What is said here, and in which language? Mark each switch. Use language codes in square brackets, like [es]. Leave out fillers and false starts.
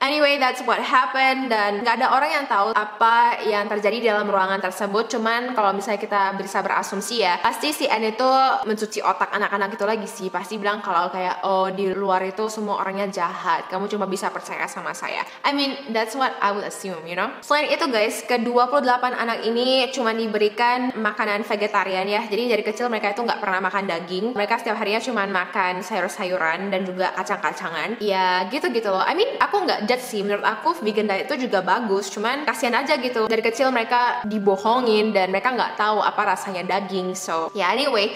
[en] Anyway, that's what happened, [id] dan gak ada orang yang tahu apa yang terjadi di dalam ruangan tersebut. Cuman kalau misalnya kita bisa berasumsi ya, pasti si N itu mencuci otak anak-anak itu lagi sih, pasti bilang kalau kayak, oh di luar itu semua orangnya jahat, kamu cuma bisa percaya sama saya. [en] I mean, that's what I would assume, you know. [id] Selain itu guys, ke-28 anak ini cuma diberikan makanan vegetarian ya. Jadi dari kecil mereka itu gak pernah makan daging. Mereka setiap harinya cuma makan sayur-sayuran dan juga kacang-kacangan. Ya gitu-gitu loh. [en] I mean, [id] aku gak judge sih. Menurut aku vegan diet itu juga bagus. Cuman kasihan aja gitu. Dari kecil mereka dibohongin dan mereka gak tahu apa rasanya daging. So, ya anyway.